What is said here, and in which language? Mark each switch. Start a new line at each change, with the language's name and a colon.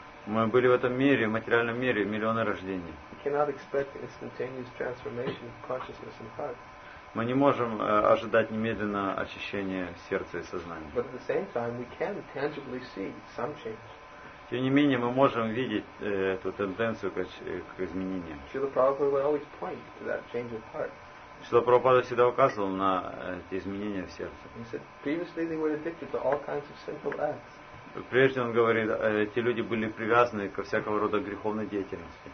Russian: Мы были в этом мире, в материальном мире, миллионы рождений.
English: We cannot expect instantaneous transformation of consciousness and heart.
Russian: Мы не можем ожидать немедленно очищения сердца и сознания.
English: But at the same time, we can tangibly see some change.
Russian: Тем не менее, мы можем видеть эту тенденцию к изменениям.
English: Srila Prabhupada would always point to that change of heart.
Russian: Шрила Прабхупада всегда указывал на эти изменения в сердце.
English: He said, previously they were addicted to all kinds of sinful acts.
Russian: Прежде он говорит, эти люди были привязаны ко всякого рода греховной деятельности.